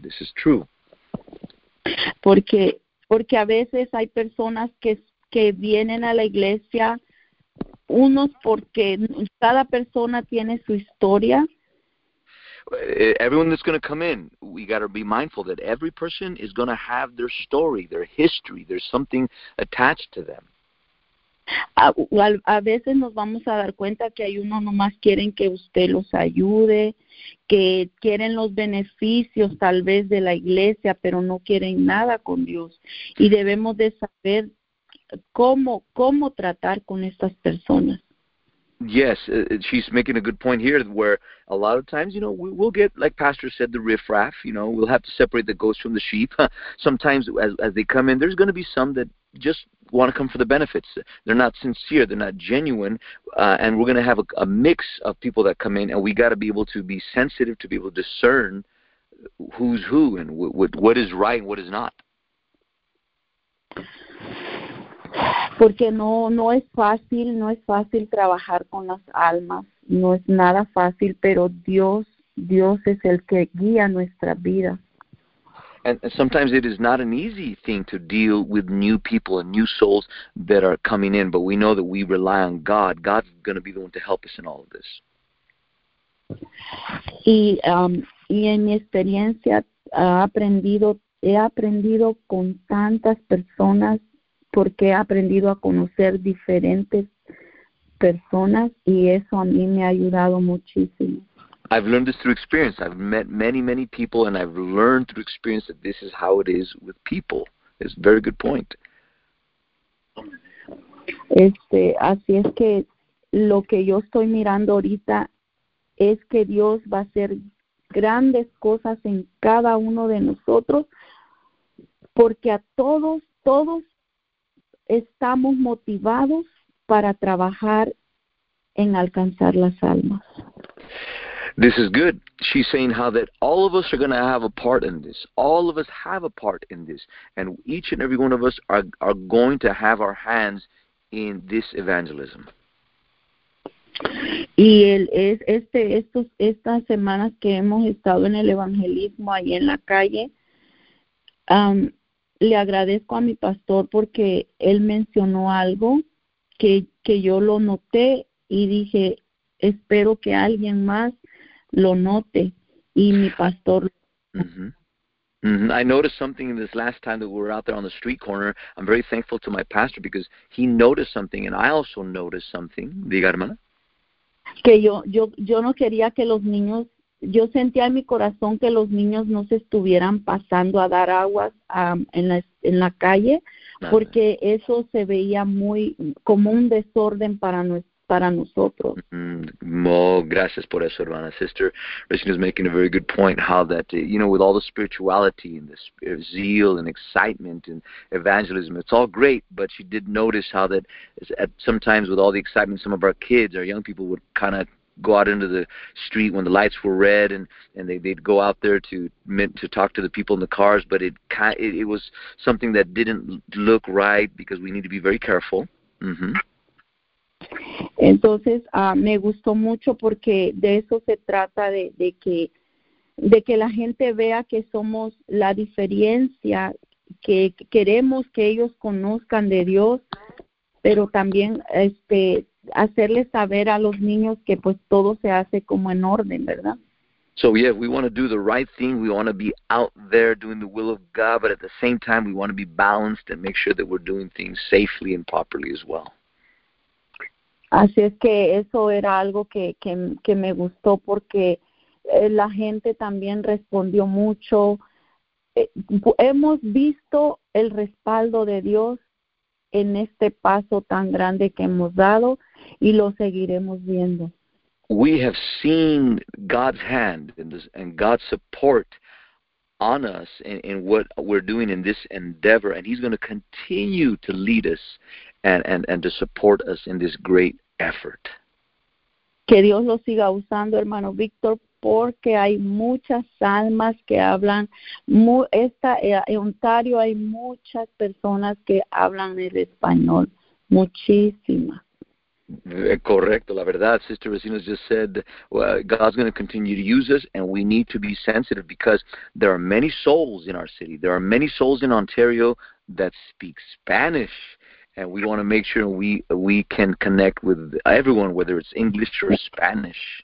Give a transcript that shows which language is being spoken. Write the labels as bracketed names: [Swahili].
[English] This is true. [Spanish] Porque a veces hay personas que vienen a la iglesia, unos porque cada persona tiene su historia. [English] Everyone that's going to come in, we got to be mindful that every person is going to have their story, their history. There's something attached to them. [Spanish] A veces nos vamos a dar cuenta que hay uno nomás quieren que usted los ayude, que quieren los beneficios tal vez de la iglesia, pero no quieren nada con Dios. Y debemos de saber cómo tratar con estas personas. [English] Yes, she's making a good point here, where a lot of times, you know, we'll get, like Pastor said, the riffraff, you know, we'll have to separate the goats from the sheep. Sometimes as they come in, there's going to be some that just want to come for the benefits. They're not sincere, they're not genuine, and we're going to have a mix of people that come in, and we got to be able to be sensitive, to be able to discern who's who and what is right and what is not. [Spanish] Porque no es fácil trabajar con las almas, no es nada fácil, pero Dios es el que guía nuestra vida. [English] And sometimes it is not an easy thing to deal with new people and new souls that are coming in, but we know that we rely on God. God's going to be the one to help us in all of this. [Spanish] Y en mi experiencia he aprendido con tantas personas, porque he aprendido a conocer diferentes personas y eso a mí me ha ayudado muchísimo. [English] I've learned this through experience. I've met many, many people and I've learned through experience that this is how it is with people. It's a very good point. [Spanish] Así es que lo que yo estoy mirando ahorita es que Dios va a hacer grandes cosas en cada uno de nosotros, porque a todos, estamos motivados para trabajar en alcanzar las almas. [English] This is good. She's saying how that all of us are going to have a part in this. All of us have a part in this. And each and every one of us are going to have our hands in this evangelism. [Spanish] Y estas semanas que hemos estado en el evangelismo ahí en la calle, le agradezco a mi pastor porque él mencionó algo que yo lo noté y dije, espero que alguien más lo note. Y mi pastor... Mm-hmm. [English] I noticed something in this last time that we were out there on the street corner. I'm very thankful to my pastor because he noticed something and I also noticed something. [Spanish] Diga, hermana. Que yo no quería que los niños, yo sentía en mi corazón que los niños no se estuvieran pasando a dar aguas en la calle, porque eso se veía muy como un desorden para nosotros. Gracias por eso, hermana. [English] Sister Regina is making a very good point how that, you know, with all the spirituality and the zeal and excitement and evangelism, it's all great, but she did notice how that at sometimes with all the excitement, some of our kids, our young people would kind of go out into the street when the lights were red and they'd go out there to talk to the people in the cars, but it was something that didn't look right because we need to be very careful. Mm-hmm. [Spanish] Entonces, me gustó mucho porque de eso se trata, de que la gente vea que somos la diferencia, que queremos que ellos conozcan de Dios, pero también hacerles saber a los niños que pues todo se hace como en orden, ¿verdad? [English] So yeah, we want to do the right thing. We want to be out there doing the will of God, but at the same time, we want to be balanced and make sure that we're doing things safely and properly as well. [Spanish] Así es que eso era algo que me gustó porque la gente también respondió mucho. Hemos visto el respaldo de Dios en este paso tan grande que hemos dado y lo seguiremos viendo. [English] We have seen God's hand and God's support on us in what we're doing in this endeavor, and he's going to continue to lead us and to support us in this great effort. [Spanish] Que Dios lo siga usando, hermano Víctor, porque hay muchas almas que hablan. En Ontario hay muchas personas que hablan el español. Muchísimas. Correcto, la verdad. [English] Sister Vecinos just said, well, God's going to continue to use us, and we need to be sensitive because there are many souls in our city. There are many souls in Ontario that speak Spanish. And we want to make sure we can connect with everyone, whether it's English or Spanish.